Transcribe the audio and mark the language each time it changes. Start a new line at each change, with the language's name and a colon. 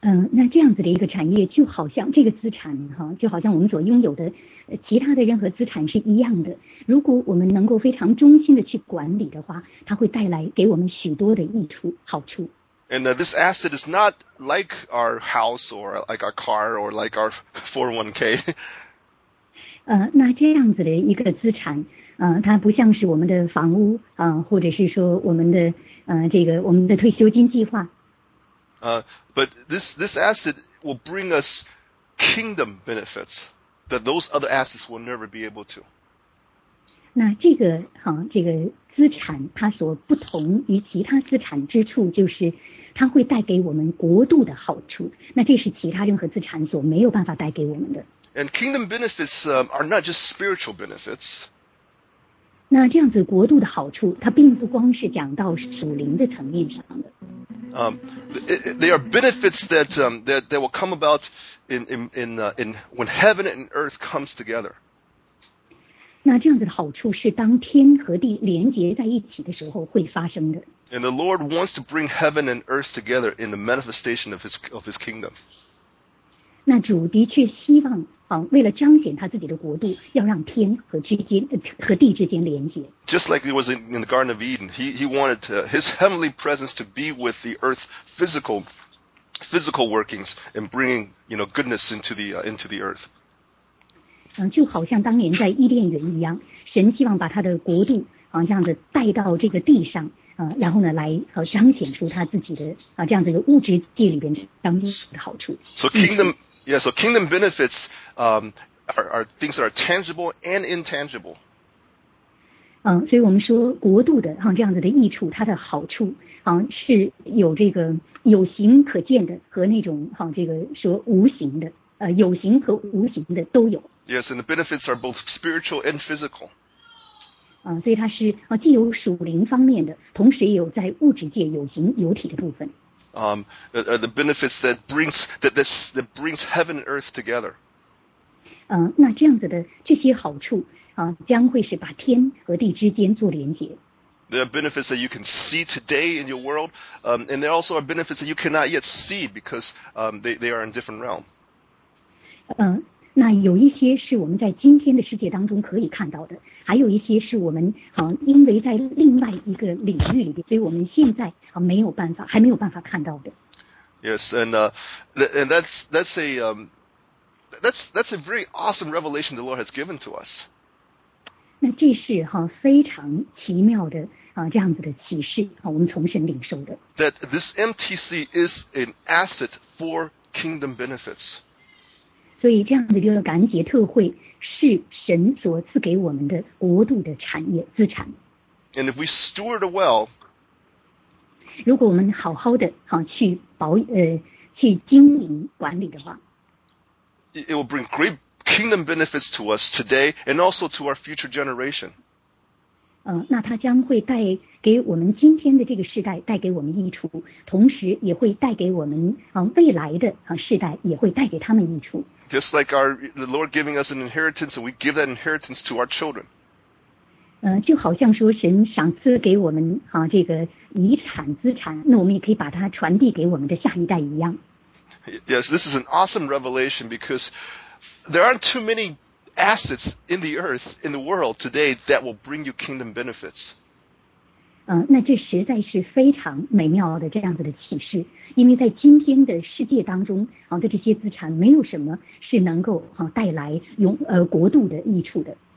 Chinese: 那这样子的一个产业就好像这个资产就好像我们所拥有的其他的任何资产是一样的，如果我们能够非常忠心的去管理的话，它会带来给我们许多的益处好处。
English: And this asset is not like our house or like our car or like our 401k.
Chinese: 那这样子的一个资产它不像是我们的房屋或者是说我们的这个我们的退休金计划。
English: But this asset will bring us kingdom benefits that those other assets will never be able to.
Chinese: 那这个这个资产它所不同于其他资产之处就是它会带给我们国度的好处，那这是其他任何资产所没有办法带给我们的。
English: And kingdom benefits are not just spiritual benefits.
Chinese: 那这样子国度的好处它并不光是讲到属灵的层面上的。
English: They are benefits that that will come about in when heaven and earth comes together.
Chinese: 那这样子的好处是当天和地连接在一起的时候会发生的。
English: And the Lord wants to bring heaven and earth together in the manifestation of his kingdom.
Chinese: 那主的确希望为了彰显他自己的国度，要让天和之间和地之间连接。
English: Just like it was in the Garden of Eden, he wanted his heavenly presence to be with the earth physical workings and bringing goodness into the earth.
Chinese: 就好像当年在伊甸园一样，神希望把他的国度这样子带到这个地上然后呢来彰显出他自己的这样子的物质界里边当中的好处。
English: So kingdom. Yeah, so kingdom benefits are things that are tangible and intangible.
Chinese: 所以我们说国度的这样子的益处，它的好处是有这个有形可见的和那种这个说无形的有形和无形的都有。
English: Yes, and the benefits are both spiritual and physical.
Chinese: 所以它是既有属灵方面的，同时也有在物质界有形有体的部分。
English: The benefits that brings that brings heaven and earth together.
Chinese: 那这样子的这些好处将会是把天和地之间做连接。
English: There are benefits that you can see today in your world, and there also are benefits that you cannot yet see because they are in different realm.
Chinese: 那有一些是我们在今天的世界当中可以看到的，还有一些是我们因为在另外一个领域里边，所以我们现在没有办法，还没有办法看到的。
English: Yes, and that's a very awesome revelation the Lord has given to us.
Chinese: 那这是非常奇妙的这样子的启示我们从神领受的。
English: That this MTC is an asset for kingdom benefits.
Chinese: 所以这样的一个感恩节特会是神所赐给我们的国度的产业资产。
English: And if we steward it well,
Chinese: 如果我们好好的去保去经营管理的话，
English: it will bring great kingdom benefits to us today and also to our future generation.
Chinese: 那它将会带给我们今天的这个世代带给我们益处，同时也会带给我们未来的世代也会带给他们益处。
English: Just like the Lord giving us an inheritance, and we give that inheritance to our children.
Chinese: 就好像说神赏赐给我们这个遗产资产，那我们也可以把它传递给我们的下一代一样。
English: Yes, this is an awesome revelation because there aren't too many assets in the earth, in the world today that will bring you kingdom benefits.
Chinese: 那这实在是非常美妙的这样子的启示，因为在今天的世界当中，的这些资产没有什么是能够带来永国度的益处的。